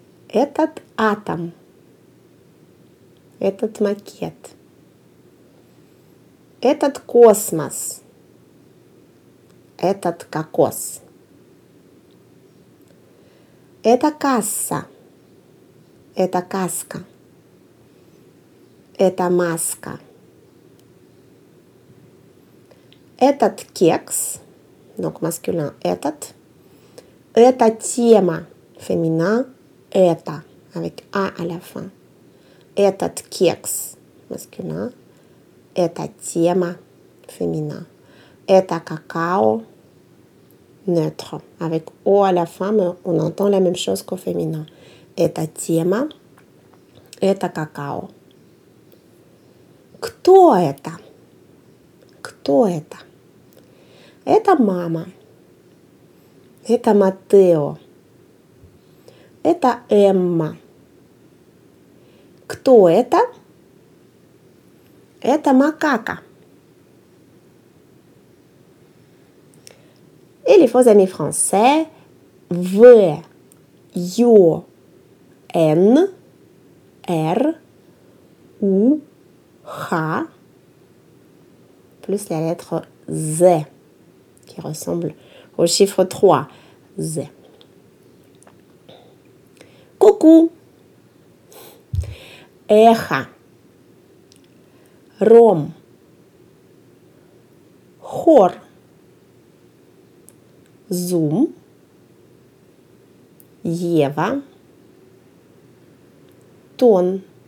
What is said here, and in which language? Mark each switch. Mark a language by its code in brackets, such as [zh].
[ru] этот атом, этот макет, этот космос, этот кокос, это касса, это каска. Это маска. Этот кекс, [fr] donc masculin [ru] этот. Это тема, [fr] féminin [ru] это, [fr] avec a à la fin. [ru] Этот кекс, masculin. Это тема, féminin. [fr] Это какао, neutre, avec o à la fin, mais on entend la même chose qu'au féminin. [ru] Это тема. Это какао. Кто это? Кто это? Это мама. Это Матео. Это Эмма. Кто это? Это макака. И [fr] les faux amis français. [ru] В. Ю. Н. Р. У. [fr] Ха, plus la lettre Z, qui ressemble au chiffre 3, Z. Coucou, [ru] Эха, Ром, Хор, Зум, Ева, Тон.